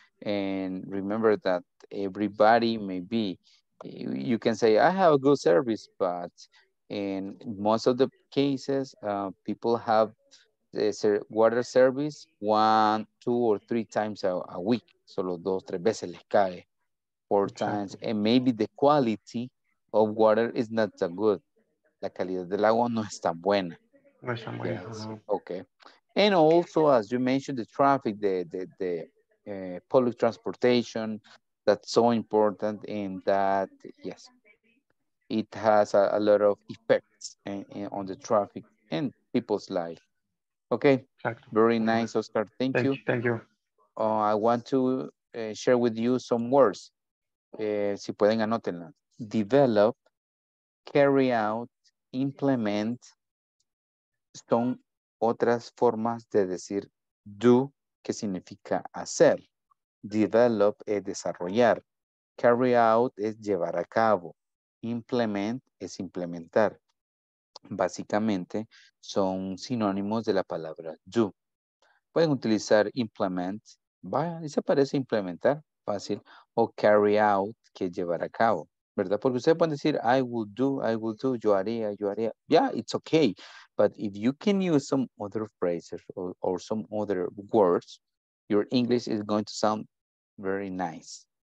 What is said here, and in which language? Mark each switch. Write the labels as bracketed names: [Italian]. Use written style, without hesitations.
[English] And remember that everybody may be, you can say, I have a good service, but in most of the cases, people have water service 1, 2, or 3 times a week. [Spanish] Solo 2, 3 veces les cae, [English] 4 times. And maybe the quality of water is not so good. [Spanish] La calidad del agua no es tan buena. No es tan buena. Yes. No. [English] Okay. And also, as you mentioned, the traffic, the public transportation, that's so important in that, yes, it has a lot of effects on the traffic and people's life. Okay. Exactly. Very nice, Oscar. Thank you. Thank you. I want to share with you some words. [Spanish] Si pueden, anótenla. [English] Develop, carry out, implement, [Spanish] son otras formas de decir do, que significa hacer. Develop es desarrollar. Carry out es llevar a cabo. Implement es implementar. Básicamente son sinónimos de la palabra do. Pueden utilizar implement, vaya, y se parece implementar, fácil, o carry out, que llevar a cabo. ¿Verdad? Porque ustedes pueden decir, [English] I will do, [Spanish] yo haría. [English] Yeah, it's okay. But if you can use some other phrases or some other words, your English is going to sound very nice.